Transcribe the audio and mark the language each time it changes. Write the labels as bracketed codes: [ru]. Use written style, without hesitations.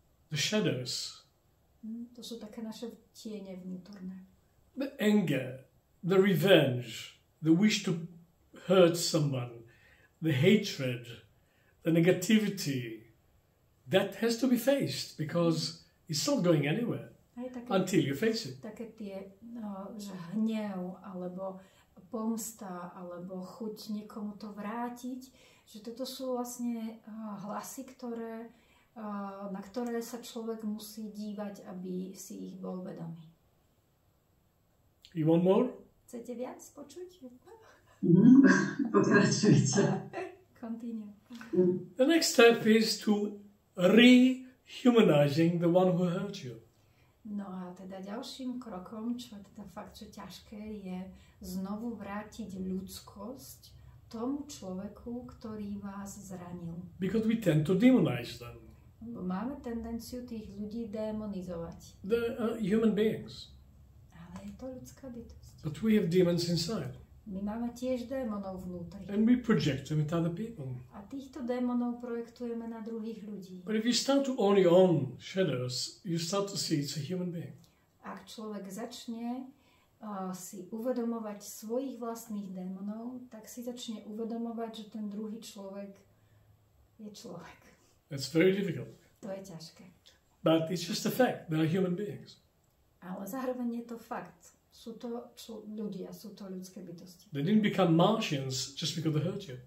[en] The shadows. [sk] To sú také naše tiene vnútorné. [en] The anger, the revenge, the wish to hurt someone, the hatred, the negativity, that has to be faced because it's not going anywhere [sk] také, [en] until you face it. [sk] Také tie, že hnev, alebo pomsta, alebo chuť niekomu to vrátiť, že toto sú vlastne hlasy, ktoré, na ktoré sa človek musí dívať, aby si ich bol vedomý. [en] You want more? [sk] Chcete viac počuť? Pokračujte. [en] Continue. The next step is to rehumanizing the one who hurt you. [sk] No a teda ďalším krokom, čo je teda fakt, čo ťažké, je znovu vrátiť ľudskosť tomu človeku, ktorý vás zranil. [en] Because we tend to demonize them. [sk] Bo máme tendenciu tých ľudí demonizovať. [en] They're human beings. [sk] Ale je to ľudská bytosť. [en] But we have demons inside. [sk] My máme tiež démonov vnútri. [en] And we project them at other people. [sk] A týchto démonov projektujeme na druhých ľudí. [en] But if you start to only own shadows, you start to see it's a human being. [sk] Ak človek začne si uvedomovať svojich vlastných démonov, tak si začne uvedomovať, že ten druhý človek je človek. [en] That's very difficult. [sk] To je ťažké. [en] But it's just a fact. They are human beings. [sk] Ale zároveň je to fakt. Sú to ľudia, sú to ľudské bytosti. [en] They didn't become Martians just because they hurt you.